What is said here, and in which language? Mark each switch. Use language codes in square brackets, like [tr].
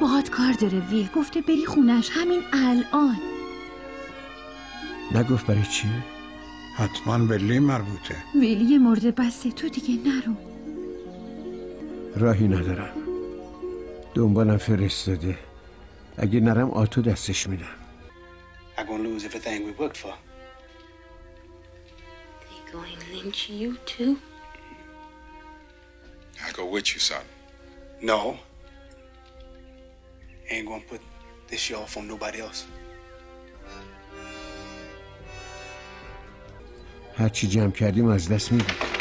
[fa] باهات کار داره ویل، گفته بری خونش همین الان. نگفت برای چی؟ حتما به لی مربوطه. ویل یه مرده بسته، تو دیگه نرو. راهی ندارم، دنبالم فرستاده، اگه نرم آتو دستش میدم. [en] I'm going to lose everything we worked for. They going to lynch you too? I go with you, son. No. Ain't going to put this year off on nobody else. [fa] هر چی جمع کردیم از دست میدیم.